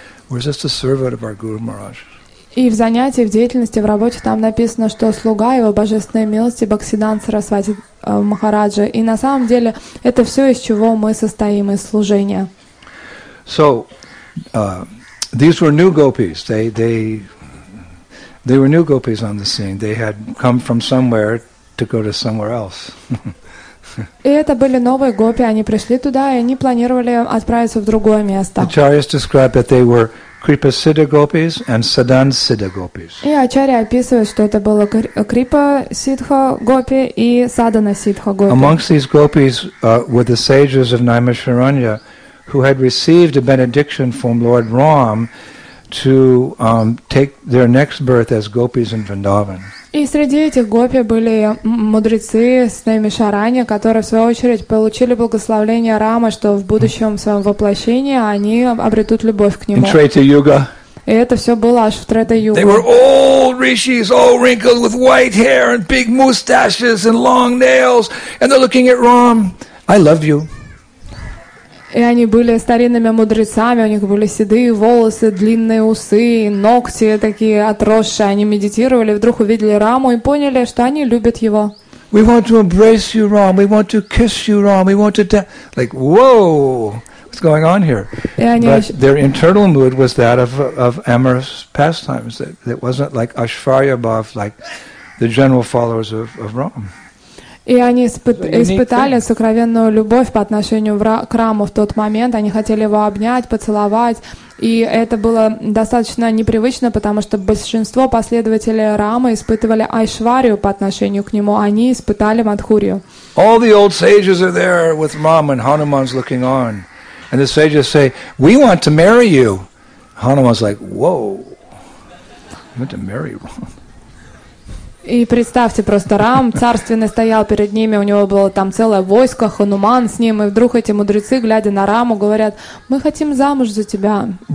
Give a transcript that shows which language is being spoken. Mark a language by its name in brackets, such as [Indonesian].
[English] We're just a servant of our Guru Maharaj. [Russian] И в занятии, в деятельности, в работе там написано, что слуга его божественной милости Бхактисиддханта Сарасвати Махараджа. И на самом деле это все, из чего мы состоим, из служения. [English] So, these were new gopis. They were new gopis on the scene. They had come from somewhere to go to somewhere else. [Russian] И это были новые гопи. Они пришли туда, и они планировали отправиться в другое место. [English] Acharyas described that they were Kripa Siddha gopis and Sadhan Siddha gopis. [Russian] И Ачарья описывает, что это было Kripa Siddha gopi и Sadhana Siddha gopi. [English] Amongst these gopis were the sages of Naimisharanya, who had received a benediction from Lord Ram to take their next birth as gopis in Vrindavan. [Russian] И среди этих гопи были мудрецы с ними Шарани, которые в свою очередь получили благословение Рамы, что в будущем в своем воплощении они обретут любовь к нему. [English] In Treta Yuga. [Russian] И это все было аж в Трета Юге. [English] They were old rishis, all wrinkled with white hair and big mustaches and long nails, and they're looking at Ram. I love you. [Russian] И они были старинными мудрецами, у них были седые волосы, длинные усы, ногти такие отросшие. Они медитировали, вдруг увидели Раму и поняли, что они любят его. [English] We want to embrace you, Ram. We want to kiss you, Ram. We want to dance. Like, whoa, what's going on here? But their internal mood was that of amorous pastimes. That wasn't like Ashvarya Bhav, like the general followers of Ram. [Russian] И они испытали сокровенную любовь по отношению к Раму в тот момент. Они хотели его обнять, поцеловать. И это было достаточно непривычно, потому что большинство последователей Рамы испытывали Айшварию по отношению к нему. Они испытали Мадхурию. [English] All the old sages are there with Ram, and Hanuman's looking on. And the sages say, we want to marry you. Hanuman's like, whoa, I want to marry Ram. [Russian] И представьте, просто Рам царственный стоял перед ними, у него было там целое войско, Хануман с ним, и вдруг эти мудрецы, глядя на Раму, говорят, мы хотим замуж за тебя.